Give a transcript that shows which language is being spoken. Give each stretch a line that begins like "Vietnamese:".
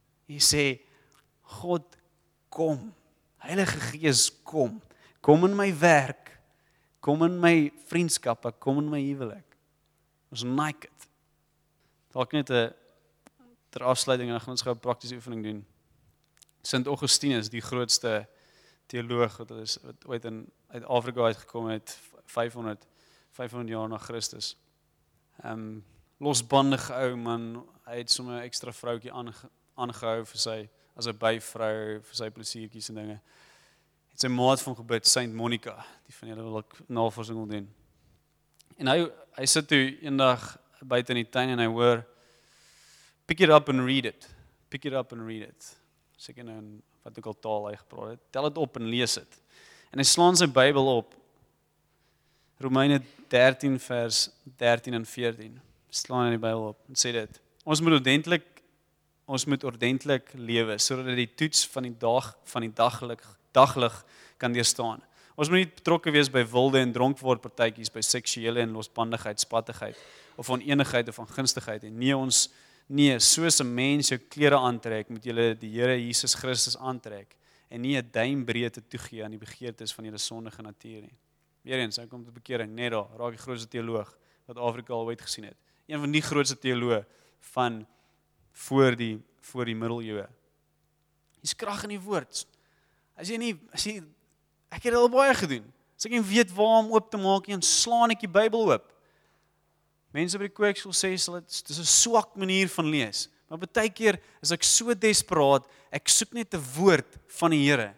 Afrikaans: Jy sê, God, kom. Heilige Gees, kom. Kom in my werk. Kom in my vriendskappe. Kom in my huwelik. Ons
English: like it.
Afrikaans: Dalk net ter afsluiting en gaan ons gou 'n praktiese oefening doen. Sint Augustinus, die grootste teoloog wat ooit in uit Afrika uitgekom het 500 jaar na Christus. Losbandige ou man, hy het sommer 'n ekstra vroutjie aangehou vir sy as 'n byvrou vir sy pleziertjies en dinge. Het sy maat van gebid Saint Monica, die van julle wil ek navorsing wil doen. En hy sit toe eendag buite in die tuin en hy hoor
English: pick it up and read it. Pick it up and read it.
Afrikaans: Seker nou in wat ook al taal hy gepraat het. Tel het op en lees het. En hy slaan sy Bybel op. Romeine 13 vers 13 en 14. Slaan in die Bybel op en sê dit. Ons moet ordentlik lewe sodat die toets van die dag van die daglig kan deurstaan. Ons moet nie betrokke wees by wilde en dronkword partytjies, by seksuele en losbandigheid, spattigheid of onenigheid of ongunstigheid en nee, soos 'n mens jou klere aantrek, moet jy die Here Jesus Christus aantrek en nie 'n duim breedte toegee aan die begeertes van jou sondige natuur nie. Weereens, hy kom tot bekering net daar, raak die grootste teoloog wat Afrika al ooit gesien het. Een van die grootste teoloë van voor die middeleeue. Hier's krag in die woord. As jy ek het al baie gedoen. As ek nie weet waar om oop te maak nie, slaan ek die Bybel oop. Mense by die kerk sal sê dis 'n swak manier van lees. Maar baie keer is ek so desperaat, ek soek net 'n woord van die Here.